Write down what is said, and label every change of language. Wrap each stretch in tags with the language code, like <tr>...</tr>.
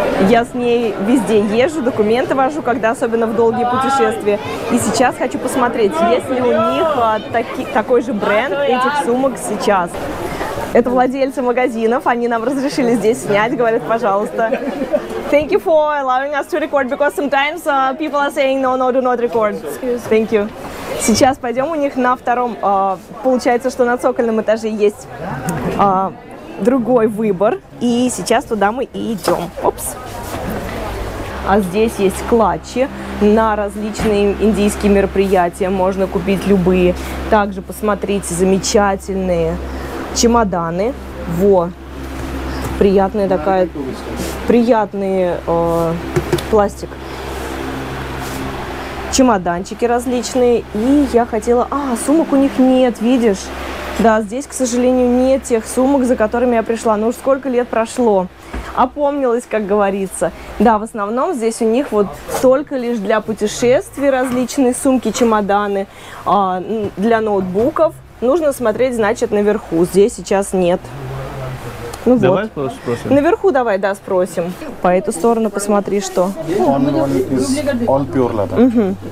<ru>Я с ней везде езжу, документы вожу, когда особенно в долгие путешествия. И сейчас хочу посмотреть, есть ли у них такой же бренд этих сумок сейчас. Это владельцы магазинов, они нам разрешили здесь снять, говорят, пожалуйста.</ru> <en>Thank you for allowing us to record, because sometimes people are saying, no, no, do not record. Thank you.</en> <ru>Сейчас пойдем у них на втором, получается, что на цокольном этаже есть другой выбор, и сейчас туда мы и идем. Опс. А здесь есть клатчи на различные индийские мероприятия, можно купить любые. Также посмотрите, замечательные чемоданы. Во, приятная такая, приятный пластик. Чемоданчики различные. И я хотела... А, сумок у них нет, видишь? Да, здесь, к сожалению, нет тех сумок, за которыми я пришла. Ну уж сколько лет прошло. Опомнилась, как говорится. Да, в основном здесь у них вот только лишь для путешествий различные сумки, чемоданы, для ноутбуков. Нужно смотреть, значит, наверху. Здесь сейчас нет. Ну, давай вот. Спросим. Наверху давай, да, спросим. По эту сторону посмотри, что. Он</ru> <en>pure leather.</en>